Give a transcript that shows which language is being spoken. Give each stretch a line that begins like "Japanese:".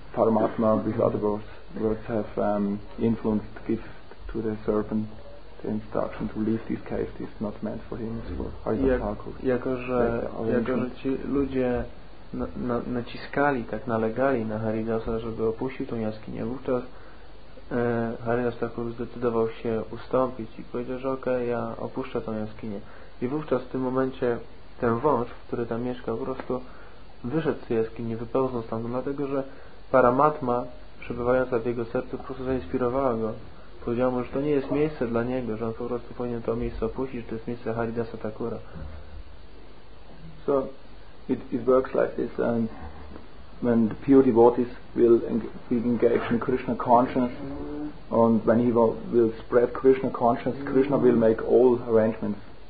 English: Paramatma, with other words have influenced, give to the serpent the instruction to leave this cave. This is not meant for him, it's for Haridas Thakur.
Polish: Jako że ci ludzie naciskali, tak nalegali na Haridasa, żeby opuścił tą jaskinię, wówczas Haridas Thakur zdecydował się ustąpić i powiedział, że okej, ja opuszczę tą jaskinię. I wówczas w tym momencie ten wąż, który tam mieszkał, po prostu wyszedł z tej jaskini, wypełznął stąd, dlatego że Paramatma, przebywająca w jego sercu, po prostu zainspirowała go. Powiedziała mu, że to nie jest miejsce dla niego, że on po prostu powinien to miejsce opuścić, że to jest miejsce Haridasa Thakura.
English: So it works like this, and when the pure devotees will be engaged in Krishna consciousness, and when he will spread Krishna consciousness, Krishna will make all arrangements.